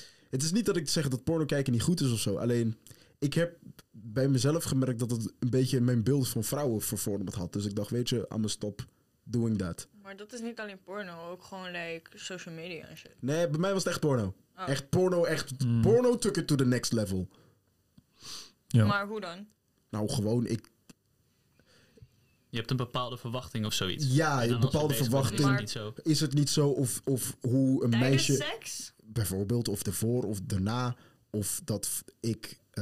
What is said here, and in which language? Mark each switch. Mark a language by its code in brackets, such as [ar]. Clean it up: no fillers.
[nl] Het is niet dat ik zeg dat porno kijken niet goed is of zo. Alleen, ik heb bij mezelf gemerkt dat het een beetje mijn beeld van vrouwen vervormd had. Dus ik dacht, weet je, [en] I'm gonna stop doing that. [nl] Maar dat is niet alleen porno, ook gewoon like social media en shit. Nee, bij mij was het echt porno. Oh. Echt porno, echt porno [en] took it to the next level. [nl] Ja. Maar hoe dan? Nou, gewoon, ik... Je hebt een bepaalde verwachting of zoiets. Ja, een bepaalde verwachting. Maar, is het niet zo of hoe een tijdens meisje... seks? Bijvoorbeeld, of ervoor of daarna. Of dat ik...